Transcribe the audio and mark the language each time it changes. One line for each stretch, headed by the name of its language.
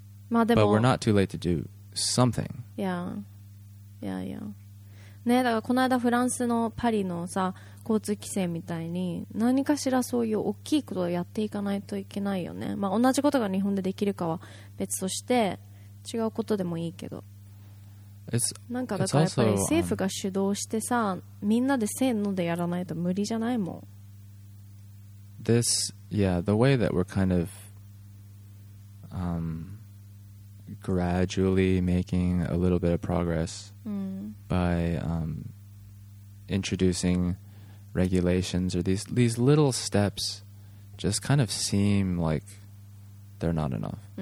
Japanese: まあでも。
English: But we're not too late to do something. Yeah. Yeah, yeah.
Japanese: ねえ、だからこの間フランスのパリのさ、交通規制みたいに何かしらそういう大きいことをやっていかないといけないよね。まあ同じことが日本でできるかは別として違うことでもいいけど。なんかだからやっぱり政府が主導してさ、みんなでせーのでやらないと無理じゃないもん。
English: This, yeah, the way that we're kind of, gradually making a little bit of progress by, introducing regulations or these little steps just kind of seem like they're not enough.